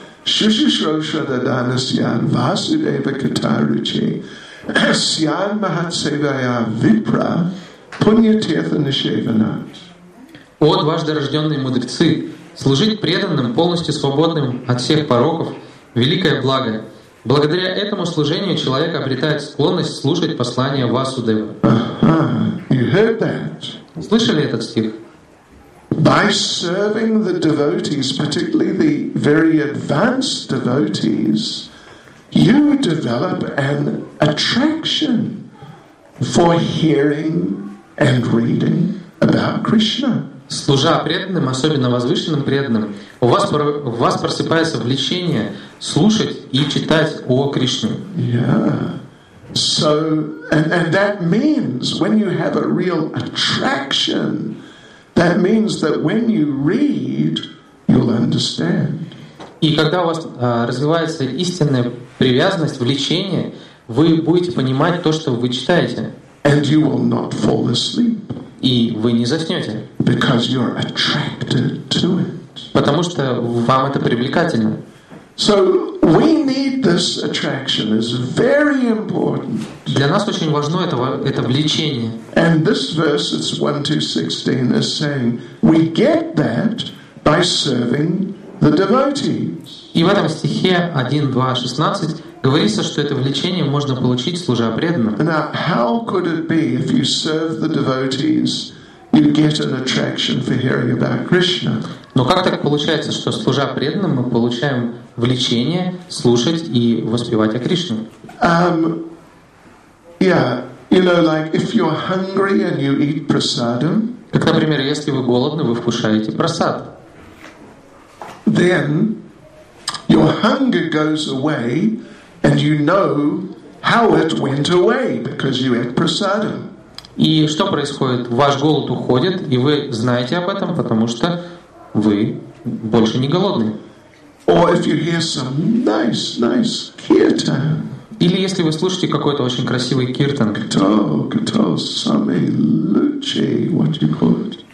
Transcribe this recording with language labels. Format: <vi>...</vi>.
<sa>Шишишрошададанасьян Васудева Катаручи Сян Махатсевая Випра Пуньятетха Нишеванат.</sa> <ru>О, дважды рожденные мудрецы, служить преданным, полностью свободным от всех пороков, великое благо. Благодаря этому служению человек обретает склонность слушать послания Васудева.</ru> <en>You heard that?</en> <ru>Слышали этот стих?</ru> <en>By serving the devotees, particularly the very advanced devotees, you develop an attraction for hearing and reading about Krishna.</en> <ru>Служа преданным, особенно возвышенным преданным, у вас просыпается влечение слушать и читать о Кришне.</ru> <en>Yeah. So, and that means when you have a real attraction, that means that when you read, you'll understand.</en> <ru>И когда у вас развивается истинная привязанность, влечение, вы будете понимать то, что вы читаете.</ru> <en>And you will not fall asleep.</en> <ru>И вы не заснете.</ru> <en>Because you're attracted to it.</en> <ru>Потому что вам это привлекательно.</ru> <en>So we need this attraction. It's very important.</en> <ru>Для нас очень важно это влечение.</ru> <en>And this verse, it's 1:2:16, is saying we get that by serving the devotees.</en> <ru>И в этом стихе 1:2:16 говорится, что это влечение можно получить, служа преданным.</ru> <en>Now how could it be if you serve the devotees? You get an attraction for hearing about Krishna.</en> <ru>Но как так получается, что служа преданным, мы получаем влечение слушать и воспевать о Кришне?</ru> <en>You know, like if you're hungry and you eat prasadam.</en> <ru>Как, например, если вы голодны, вы вкушаете прасад.</ru> <en>Then your hunger goes away, and you know how it went away because you ate prasadam.</en> <ru>И что происходит? Ваш голод уходит, и вы знаете об этом, потому что вы больше не голодны.</ru> <en>Or if you hear some nice, nice kirtan.</en> <ru>Или если вы слушаете какой-то очень красивый киртан.</ru> <en>Kirtan, Sami Luchi, what do you call it?</en>